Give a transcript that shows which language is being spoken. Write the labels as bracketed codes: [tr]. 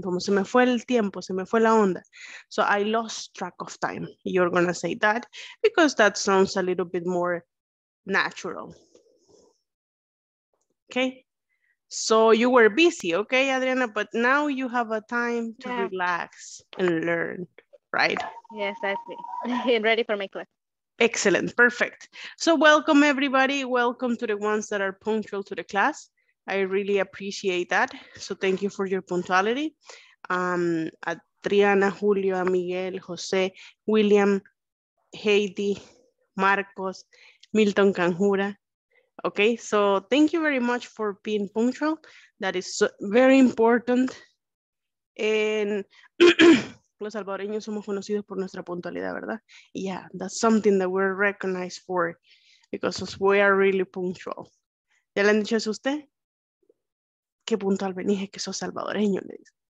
[es] Como se me fue el tiempo, se me fue la onda. [en] So I lost track of time. You're going to say that because that sounds a little bit more natural. Okay, so you were busy, okay, Adriana, but now you have a time to relax and learn, right? Yes, I see. I'm ready for my class. Excellent, perfect. So welcome everybody, welcome to the ones that are punctual to the class. I really appreciate that. So thank you for your punctuality. Adriana, Julio, Miguel, Jose, William, Heidi, Marcos, Milton Canjura. Okay, so thank you very much for being punctual. That is very important. [es] And los salvadoreños somos conocidos por nuestra puntualidad, ¿verdad? [en] Yeah, that's something that we're recognized for because we are really punctual. [es] ¿Ya le han dicho eso a usted? ¿Qué puntual venís? Es que sos salvadoreño, le dice.